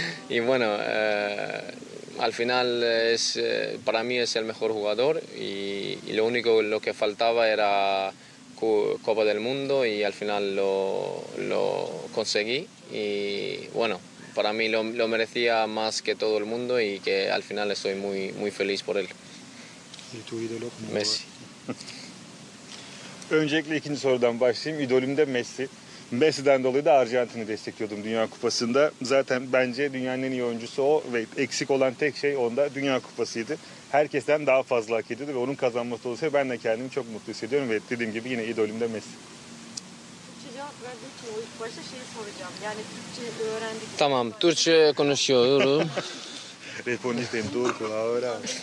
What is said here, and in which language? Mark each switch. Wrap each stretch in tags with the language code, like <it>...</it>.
<es>Y bueno, al final es para mí es el mejor jugador y lo único lo que faltaba era Copa del Mundo y al final lo conseguí y bueno, para mí lo merecía más que todo el mundo y que al final estoy muy muy feliz por él. ¿Y tu ídolo? Messi.</es> <tr>Öncelikle ikinci sorudan başlayayım. İdolüm de Messi. Messi'den dolayı da Arjantin'i destekliyordum Dünya Kupası'nda. Zaten bence dünyanın en iyi oyuncusu o ve eksik olan tek şey onda Dünya Kupası'ydı. Herkesten daha fazla hak ediyordu ve onun kazanması dolayısıyla ben de kendimi çok mutlu hissediyorum ve dediğim gibi yine idolüm de Messi. Türkçe cevap verdiğim için ilk başta şeyi soracağım. Yani Türkçe öğrendik. Tamam, Türkçe konuşuyorum.</tr> <es>Respondiste en turco ahora.</es>